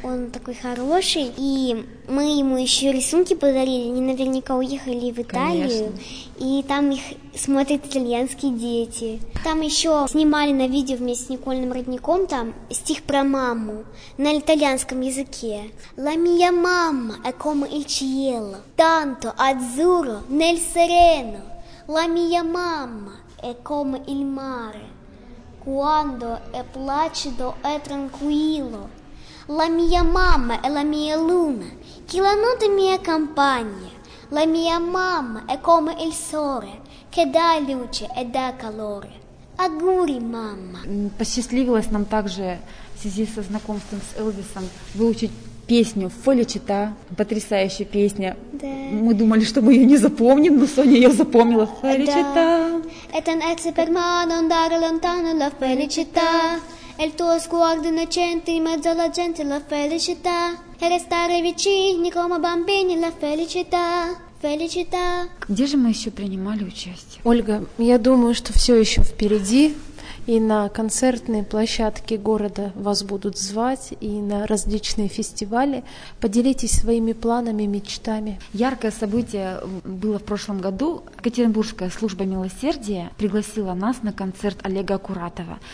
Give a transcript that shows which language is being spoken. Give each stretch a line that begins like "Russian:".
Russian: Он такой хороший. И мы ему еще рисунки подарили. Они наверняка уехали в Италию. Конечно. И там их смотрят итальянские дети. Там еще снимали на видео вместе с Никольным родником там стих про маму на итальянском языке.
Italian: «La mia mamma è come il cielo, tanto azzurro nel sereno. La mia mamma è come il mare, quando è placido e tranquillo. La mia mamma è la mia luna, che la notte mi accompagna. La mia mamma è come il sole, che dà luce e dà calore. Auguri, mamma».
Russian: Посчастливилось нам также в связи со знакомством с Элвисом выучить песню «Фоличита», потрясающая песня. Да. Мы думали, что мы ее не запомним, но Соня ее запомнила. «Фоличита». «Этан экспермано, дарелантано, ла фоличита».
Italian: El tuo sguardo innocente in mezzo alla gente la felicità. E restare vicini come bambini la felicità. Felicità.
Russian: Где же мы еще принимали участие? Ольга, я думаю, что все еще впереди. И на концертные площадки города вас будут звать, и на различные фестивали. Поделитесь своими планами, мечтами. Яркое событие было в прошлом году. Екатеринбургская служба милосердия пригласила нас на концерт Олега Акуратова.